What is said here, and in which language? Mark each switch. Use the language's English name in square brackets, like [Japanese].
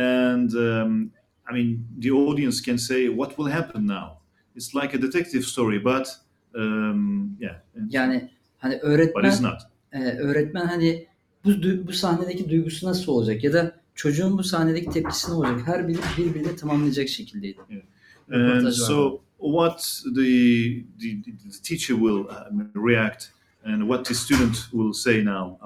[English] And I mean, the audience can say what will happen now. It's like a detective story, but yeah. [Turkish] Yani hani öğretmen, öğretmen hani bu sahnedeki duygusu nasıl olacak ya da çocuğun bu sahnedeki tepkisi ne olacak? Her biri birbirini tamamlayacak şekildeydi. [English] So what the teacher will react and what the student will say now?